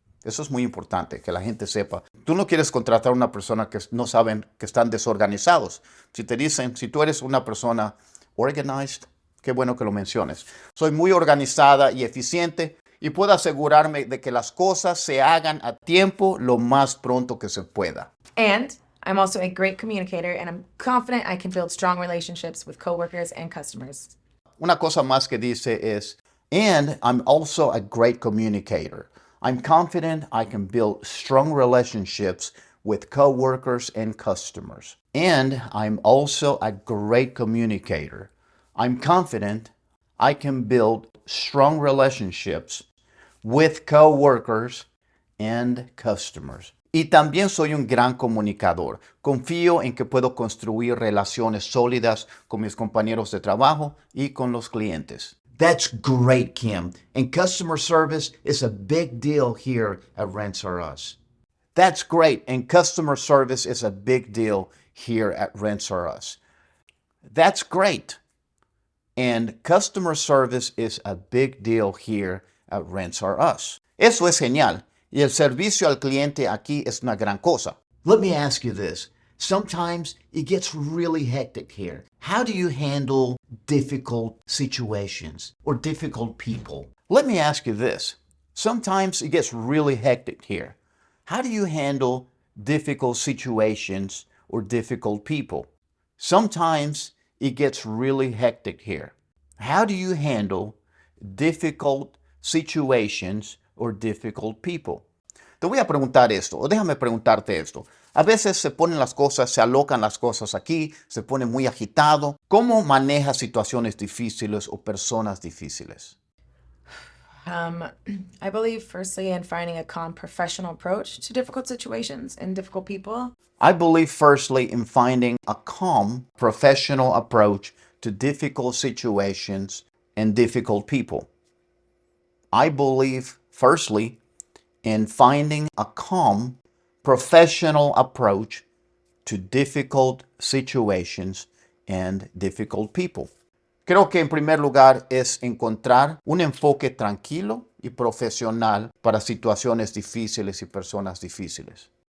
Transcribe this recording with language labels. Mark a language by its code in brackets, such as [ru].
[es] Eso es muy importante, que la gente sepa. Tú no quieres contratar a una persona que no saben que están desorganizados. Si te dicen, si tú eres una persona organized, qué bueno que lo menciones. Soy muy organizada y eficiente y puedo asegurarme de que las cosas se hagan a tiempo lo más pronto que se pueda. [en] And I'm also a great communicator and I'm confident I can build strong relationships with coworkers and customers. [es] Una cosa más que dice es, [en] and I'm also a great communicator. I'm confident I can build strong relationships with coworkers and customers. And I'm also a great communicator. I'm confident I can build strong relationships with coworkers and customers. [es] Y también soy un gran comunicador. Confío en que puedo construir relaciones sólidas con mis compañeros de trabajo y con los clientes. [en] That's great, Kim. And customer service is a big deal here at Rents R Us. That's great. And customer service is a big deal here at Rents R Us. That's great. And customer service is a big deal here at Rents R Us. [es] Eso es genial. Y el servicio al cliente aquí es una gran cosa. [en] Let me ask you this. Sometimes it gets really hectic here. How do you handle difficult situations or difficult people? Let me ask you this. Sometimes it gets really hectic here. How do you handle difficult situations or difficult people? Sometimes it gets really hectic here. How do you handle difficult situations or difficult people? [es] Te voy a preguntar esto, o déjame preguntarte esto. A veces se ponen las cosas, se alocan las cosas aquí, se pone muy agitado. ¿Cómo manejas situaciones difíciles o personas difíciles? [en] I believe firstly in finding a calm professional approach to difficult situations and difficult people. I believe firstly in finding a calm professional approach to difficult situations and difficult people. I believe firstly in finding a calm professional approach to difficult situations and difficult people. [es] Creo que en primer lugar es encontrar un enfoque tranquilo y profesional para situaciones difíciles y personas difíciles.